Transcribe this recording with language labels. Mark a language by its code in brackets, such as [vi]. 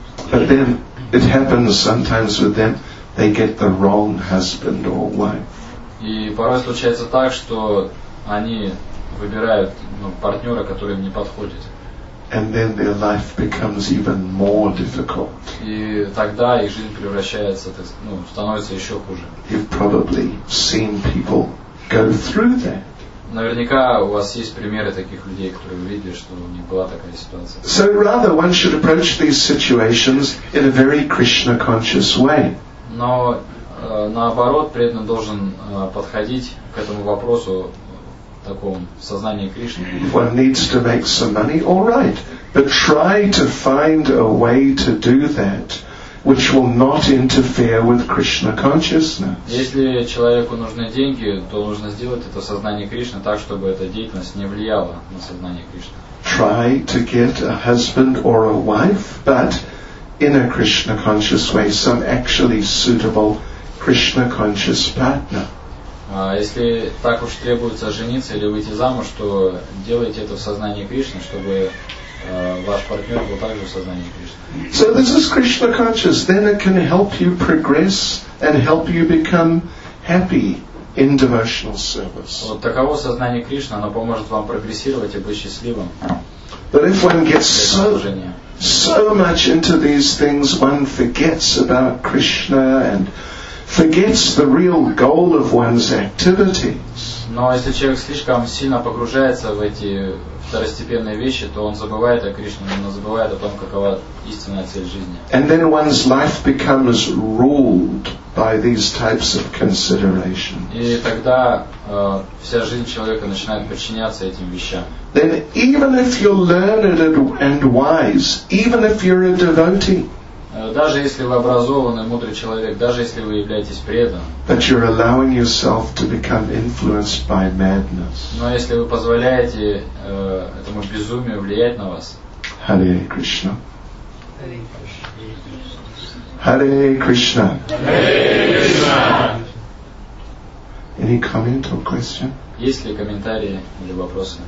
[en] But then it happens sometimes with them, they get the wrong husband or wife. [ru] И порой случается так, что они выбирают партнера, который им не подходит. [en] And then their life becomes even more difficult. [ru] И тогда их жизнь превращается, становится еще хуже. [en] You've probably seen people go through that. [ru] Наверняка у вас есть примеры таких людей, которые увидели, что у них была такая ситуация. [en] So rather one should approach these situations in a very Krishna-conscious way. [ru] Но наоборот, преданный должен подходить к этому вопросу в таком сознании Кришны. [en] If one needs to make some money, all right. But try to find a way to do that which will not interfere with Krishna consciousness. [ru] Если человеку нужны деньги, то нужно сделать это сознание Кришны так, чтобы эта деятельность не влияла на сознание Кришны. [en] Try to get a husband or a wife, but in a Krishna conscious way, some actually suitable Krishna conscious partner. [ru] Если так уж требуется жениться или выйти замуж, то делайте это в сознании Кришны, чтобы ваш партнер был также в сознании Кришны. [en] So this is Krishna conscious, then it can help you progress and help you become happy in devotional service. [ru] Вот таково сознание Кришны, оно поможет вам прогрессировать и быть счастливым. [en] But if one gets so much into these things, one forgets about Krishna and forgets the real goal of one's activities. [ru] Но если человек слишком сильно погружается в эти второстепенные вещи, то он забывает о Кришне, но забывает о том, какова истинная цель жизни. [en] And then one's life becomes ruled by these types of considerations. [ru] И тогда вся жизнь человека начинает подчиняться этим вещам. [en] Then even if you're learned and wise, even if you're a devotee, [ru] даже если вы образованный, мудрый человек, даже если вы являетесь преданным, [en] but you're allowing yourself to become influenced by madness. [ru] Но если вы позволяете этому безумию влиять на вас, [en] Hare Krishna. Hare Krishna. Hare Krishna. Any comment or question? [ru] Есть ли комментарии или вопросы?